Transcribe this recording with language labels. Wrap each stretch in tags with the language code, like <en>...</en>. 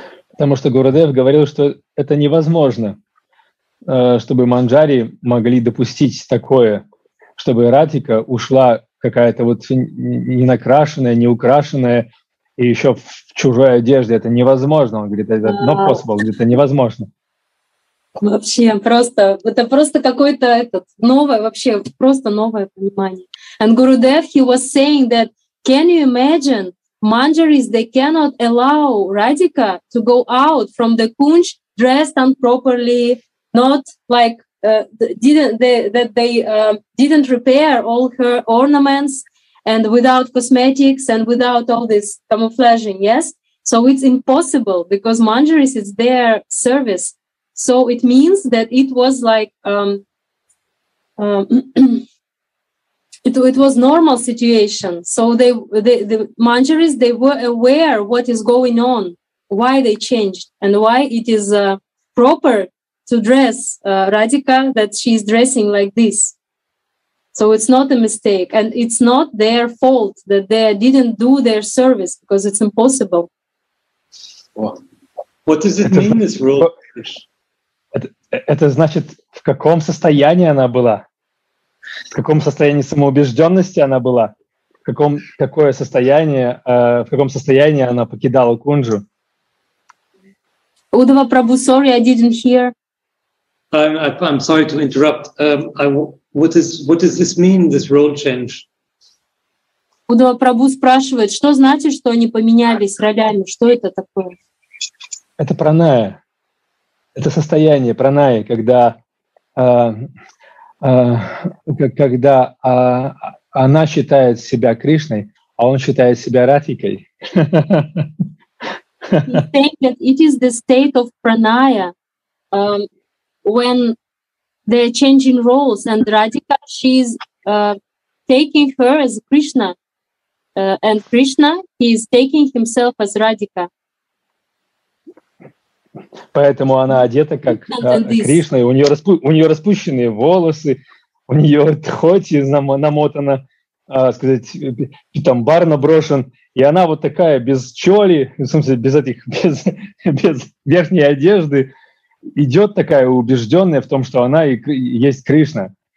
<ru>Потому что Гурудев говорил, что это невозможно, чтобы Манджари могли допустить такое, чтобы Ратика ушла какая-то вот ненакрашенная, неукрашенная и еще в чужой одежде. Это невозможно. Он говорит, это</ru> <en>not possible,</en> <ru>говорит, это невозможно. Вообще, просто, это просто какое-то этот, новое, вообще, просто новое понимание.</ru> <en>And Gurudev, he was saying that, can you imagine, Manjaris, they cannot allow Radhika to go out from the Kunj dressed improperly, not like didn't repair all her ornaments and without cosmetics and without all this camouflaging. Yes, so it's impossible because Manjaris is their service. So it means that it was like it was normal situation. So the Manjaris, they were aware what is going on, why they changed, and why it is proper to dress Radhika, that she is dressing like this. So it's not a mistake, and it's not their fault that they didn't do their service, because it's impossible. What does it mean, this rule?</en> <ru>Это значит, в каком состоянии она была? В каком состоянии самоубежденности она была? В каком состоянии она покидала Кунджу? Удва Прабу,</ru> <en>sorry, I didn't hear. I'm sorry to interrupt. What does this mean, this role change?</en> <ru>Удва Прабу спрашивает, что значит, что они поменялись ролями? Что это такое? Это праная. Это состояние праная, когда... когда она считает себя Кришной, а он считает себя Ратикой.</ru> <en>I think that it is the state of pranaya when they're changing roles, and Radhika, she's taking her as Krishna, and Krishna, he is taking himself as Radhika.</en> <ru>Поэтому она одета как Кришна, и у нее распущенные волосы, у нее тхоти намотана, питамбар наброшен, и она вот такая без чоли, в смысле без этих, без верхней одежды, идет такая убежденная в том, что она и есть Кришна.</ru>